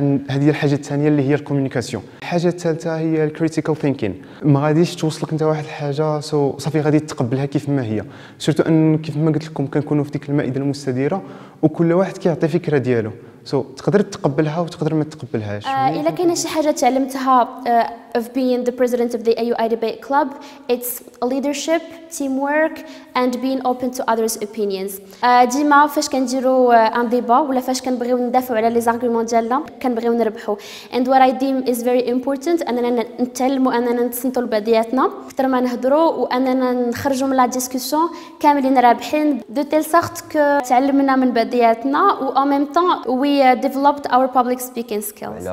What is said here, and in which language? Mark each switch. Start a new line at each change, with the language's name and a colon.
Arabic: هذه الحاجه الثانيه اللي هي الكوميونيكاسيون. الحاجه الثالثه هي الكريتيكال ثينكين. ما غاديش توصلك انت واحد الحاجه سو صافي غادي تقبلها كيف ما هي، سورتو ان كيف ما قلت لكم كنكونوا في ديك المائده المستديره وكل واحد كيعطي فكره ديالو، سو تقدر تقبلها وتقدر ما تقبلهاش. الا كاينه شي حاجه تعلمتها
English: of being the president of the AUI debate club, it's leadership, teamwork, and being open to others' opinions.
Arabic: ديما فاش كنديروا ان ديبا ولا فاش كنبغيو ندافعوا على لي زارغومون ديالنا كنبغيو نربحوا.
English: And what I deem is very important
Arabic: اننا نتعلموا اننا نتسنتوا لبعضياتنا اكثر ما نهضروا واننا نخرجوا من لا ديسكوسيون كاملين رابحين
French: دو تيل سارت كو
Arabic: تعلمنا من بعضياتنا و
French: او ميم طون
English: We developed our public speaking skills.